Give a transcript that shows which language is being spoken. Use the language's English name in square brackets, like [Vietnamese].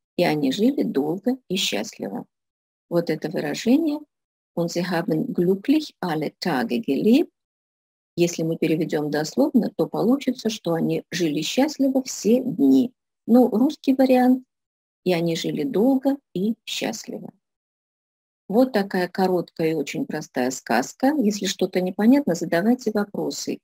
[Russian] И они жили долго и счастливо. Вот это выражение. [German] Und sie haben glücklich alle Tage gelebt. [Russian] Если мы переведем дословно, то получится, что они жили счастливо все дни. Ну, русский вариант. И они жили долго и счастливо. Вот такая короткая и очень простая сказка. Если что-то непонятно, задавайте вопросы.